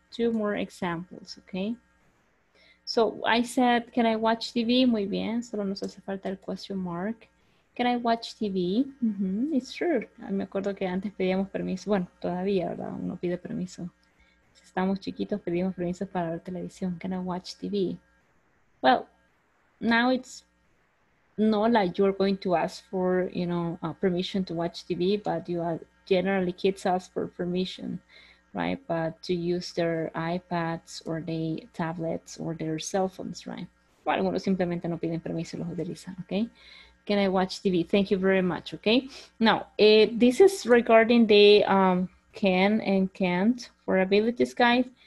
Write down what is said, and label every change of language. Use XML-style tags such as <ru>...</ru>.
<en>Two more examples, okay? So I said, can I watch TV?</en> <es>Muy bien, solo nos hace falta el question mark.</es> <en>Can I watch TV? Mm-hmm. It's true.</en> <es>Me acuerdo que antes pedíamos permiso. Bueno, todavía, ¿verdad? Uno pide permiso. Si estamos chiquitos, pedimos permiso para ver televisión.</es> <en>Can I watch TV? Well, now it's not like you're going to ask for, you know, permission to watch TV, but you are generally kids ask for permission, right? But to use their iPads or their tablets or their cell phones, right?</en> <es>Bueno, algunos simplemente no piden permiso y los utilizan, okay?</es> <en>Can I watch TV? Thank you very much, okay? Now, this is regarding the can and can't for abilities, guys.</en>